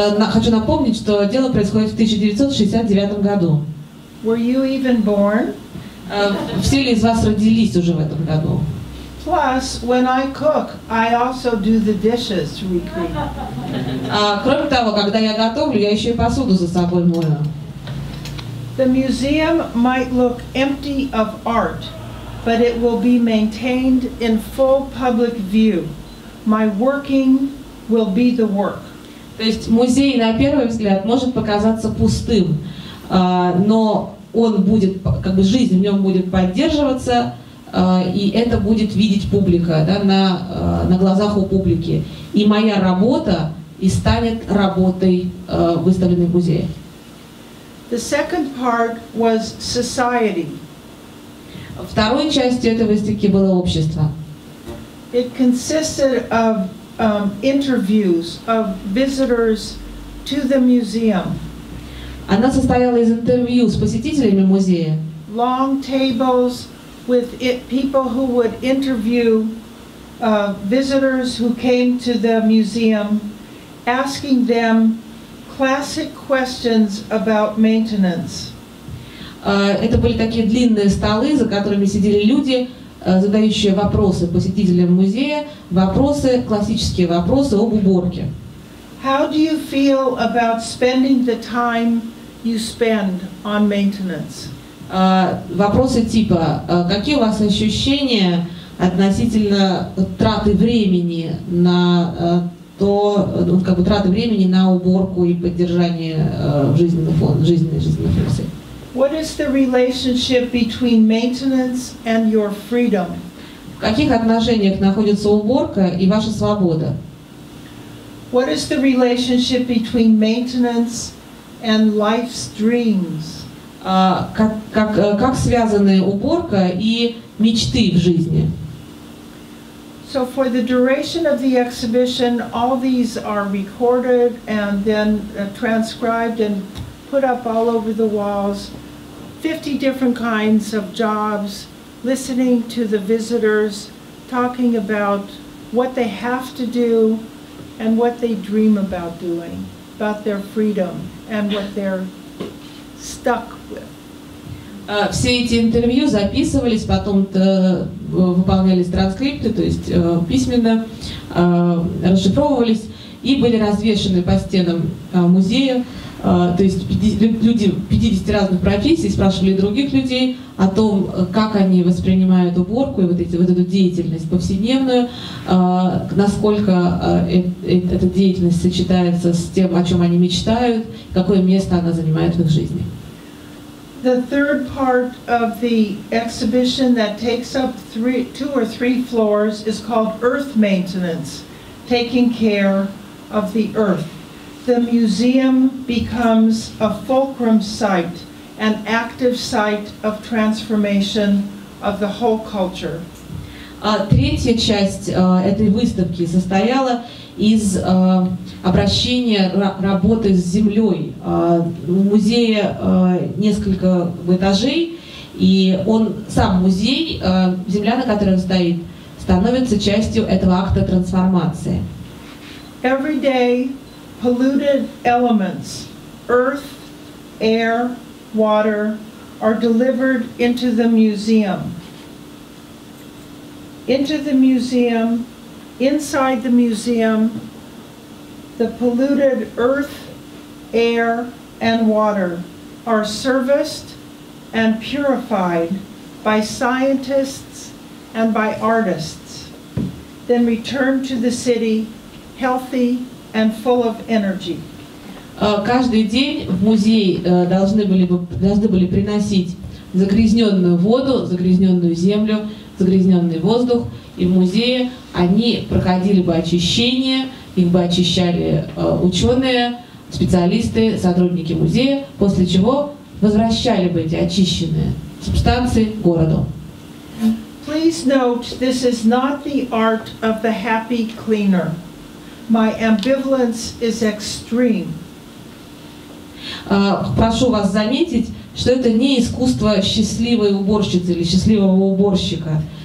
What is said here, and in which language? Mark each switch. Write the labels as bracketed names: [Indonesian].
[Russian] Хочу напомнить, что дело происходит в 1969 году. [English] Were you even born? [Russian] Все ли из вас родились уже в этом году? [English] Plus, when I cook, I also do the dishes, recreate. [Russian] А кроме того, когда я готовлю, я еще и посуду за собой мою. [English] The museum might look empty of art, but it will be maintained in full public view. My working will be the work. [Russian] То есть музей на первый взгляд может показаться пустым, но он будет, как бы жизнь в нем будет поддерживаться, и это будет видеть публика, да, на глазах у публики. И моя работа и станет работой выставленной в музее. [English] The second part was society. [Russian] Второй частью этой выставки было общество. [English] It consisted of interviews of visitors to the museum. [Russian] Она состояла из интервью с посетителями музея. [English] Long tables with people who would interview visitors who came to the museum, asking them classic questions about maintenance. [Russian] Это были такие длинные столы, за которыми сидели люди, задающие вопросы посетителям музея, вопросы, классические вопросы об уборке. [English] How do you feel about spending the time you spend on maintenance? [Russian] Вопросы типа, какие у вас ощущения относительно траты времени на траты времени на уборку и поддержание жизненной функции? [English] What is the relationship between maintenance and your freedom? [Russian] В каких отношениях находится уборка и ваша свобода? [English] What is the relationship between maintenance and life's dreams? [Russian] Как связаны уборка и мечты в жизни? [English] So for the duration of the exhibition, all these are recorded and then transcribed and put up all over the walls. 50 different kinds of jobs, listening to the visitors, talking about what they have to do and what they dream about doing, about their freedom and what they're stuck with. [Russian] Все эти интервью записывались, потом выполнялись транскрипты, то есть письменно расшифровывались и были развешаны по стенам музея. То есть люди 50 разных профессий спрашивали других людей о том, как они воспринимают уборку и эту деятельность повседневную, насколько эта деятельность сочетается с тем, о чем они мечтают, какое место она занимает в их жизни. [English] The third part of the exhibition that takes up two or three floors is called Earth Maintenance, taking care of the earth. The museum becomes a fulcrum site, an active site of transformation of the whole culture. [Russian] Третья часть этой выставки состояла из обращения работы с землей. В музее несколько этажей, и он сам музей, земля, на которой он стоит, становится частью этого акта трансформации. [English] Every day, polluted elements, earth, air, water, are delivered into the museum. Into the museum, inside the museum, the polluted earth, air, and water are serviced and purified by scientists and by artists, then returned to the city healthy and full of energy. [Russian] Каждый день в музей должны были приносить загрязненную воду, загрязненную землю, загрязненный воздух, и в музее они проходили бы очищение, их бы очищали ученые, специалисты, сотрудники музея, после чего возвращали бы эти очищенные субстанции городу. [English] Please note, this is not the art of the happy cleaner. My ambivalence is extreme. [Russian] Прошу вас заметить, что это не искусство счастливой уборщицы или счастливого уборщика.